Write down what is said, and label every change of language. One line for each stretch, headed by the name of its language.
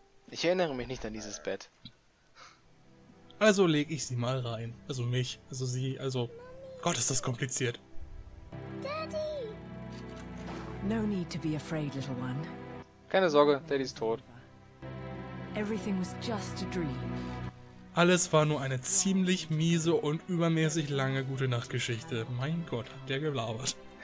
German: Ich erinnere mich nicht an dieses Bett. Also lege ich sie mal rein. Also mich, also sie, also... Gott, ist das kompliziert.
English: Daddy! No need to be afraid, little one.
German: Keine Sorge, Daddy ist tot.
English: Everything was just a dream.
German: Alles war nur eine ziemlich miese und übermäßig lange Gute-Nacht-Geschichte. Mein Gott, hat der gelabert.